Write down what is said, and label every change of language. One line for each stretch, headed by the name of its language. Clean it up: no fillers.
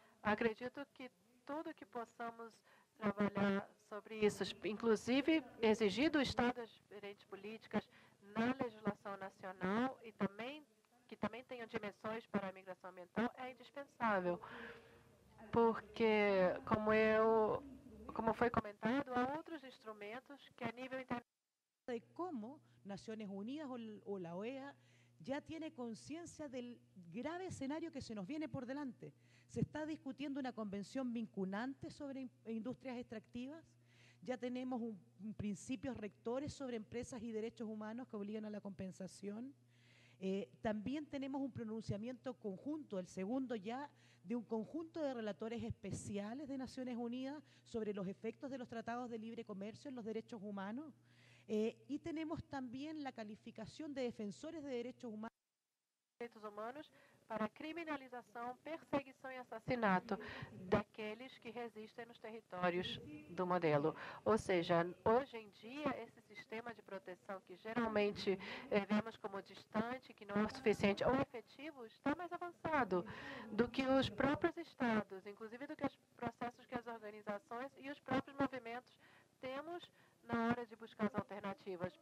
Portuguese: Acredito que tudo que possamos trabalhar sobre isso, inclusive exigindo o Estado as diferentes políticas na legislação nacional e também que também tenham dimensões para a migração ambiental, é indispensável. Porque, como foi comentado, há outros instrumentos que a nível internacional... ...de como Nações Unidas ou a OEA já têm consciência do grave cenário que se nos vem por delante.
Spanish: Se está discutiendo una convención vinculante sobre industrias extractivas, ya tenemos principios rectores sobre empresas y derechos humanos que obligan a la compensación. También tenemos un pronunciamiento conjunto, el segundo ya, de un conjunto de relatores especiales de Naciones Unidas sobre los efectos de los tratados de libre comercio en los derechos humanos. Y tenemos también la calificación de defensores de derechos humanos.
Portuguese: Direitos humanos para criminalização, perseguição e assassinato daqueles que resistem nos territórios do modelo. Ou seja, hoje em dia, esse sistema de proteção que geralmente vemos como distante, que não é suficiente ou efetivo, está mais avançado do que os próprios estados, inclusive do que os processos que as organizações e os próprios movimentos temos na hora de buscar as alternativas.